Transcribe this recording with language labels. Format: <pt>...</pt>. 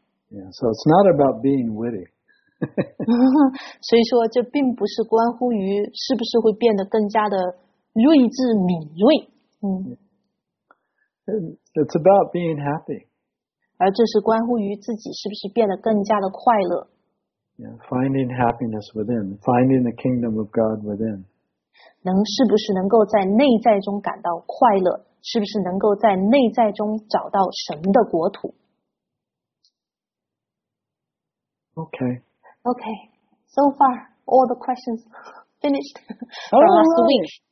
<en>Yeah, so it's not about being witty.</en> <zh>所以说这并不是关乎于是不是会变得更加的睿智敏锐。</zh> <en>It's about being happy.</en> <zh>而这是关乎于自己是不是变得更加的快乐。</zh> <en>Yeah, finding happiness within, finding the kingdom of God within.</en> <zh>能是不是能够在内在中感到快乐，是不是能够在内在中找到神的国土。</zh> <en>Okay. Okay. So far, all the questions finished from last week.</en>